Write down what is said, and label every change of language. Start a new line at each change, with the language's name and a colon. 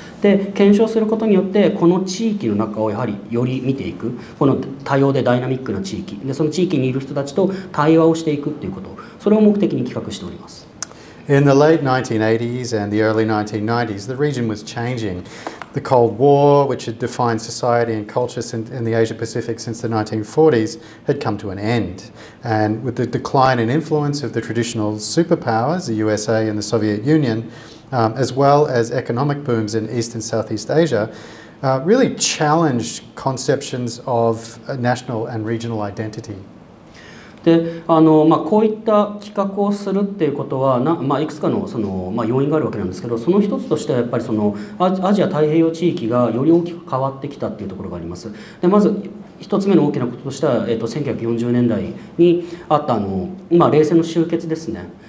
Japanese: で検証することによってこの地域の中をやはりより見ていくこの多様でダイナミックな地域でその地域にいる人たちと対話をしていくっていうことそれを目的に企画しております。
English: In the late 1980s and the early 1990s, the region was changing. The Cold War, which had defined society and culture in the Asia-Pacific since the 1940s, had come to an end. And with the decline in influence of the traditional superpowers, the USA and the Soviet Union, as well as economic booms in East and Southeast Asia, really challenged conceptions of national and regional identity.
Japanese: でまあ、こういった企画をするっていうことは、まあ、いくつか その、まあ、要因があるわけなんですけどその一つとしてはやっぱりそのアジア太平洋地域がより大きく変わってきたっていうところがあります。でまず一つ目の大きなこととしては、1940年代にあった冷戦の終結ですね。